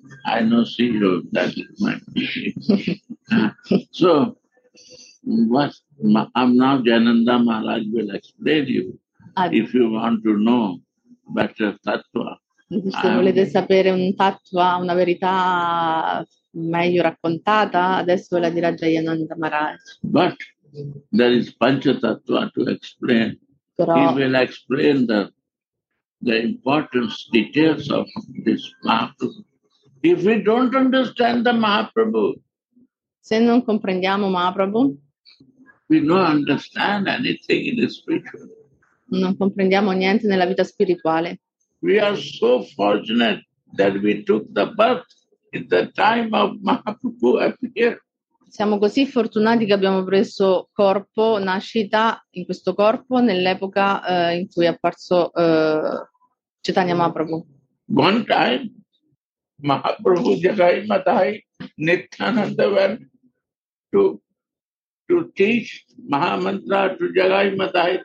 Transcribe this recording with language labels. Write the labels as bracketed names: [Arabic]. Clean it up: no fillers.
[English] I know, see you, that is my So, what, now Jnanda Maharaj will explain you, if you want to know better tattva. [Italian] Se volete sapere un tattva, una verità meglio raccontata, adesso la dirà Jnanda Maharaj. [English] But there is Pancatattva to explain. [Italian] Però, [English] he will explain the importance, details of this Mahaprabhu. If we don't understand the Mahaprabhu, [Italian] se non comprendiamo Mahaprabhu, [English] we don't understand anything in the spiritual. [Italian] Non comprendiamo niente nella vita spirituale. [English] We are so fortunate that we took the birth in the time of Mahaprabhu appeared. [Italian] Siamo così fortunati che abbiamo preso corpo, nascita in questo corpo nell'epoca in cui è apparso Chaitanya Mahaprabhu. [English] One time, Mahaprabhu Jagai Madhai Nithyananda went to teach Mahamantra to Jagai Madhai.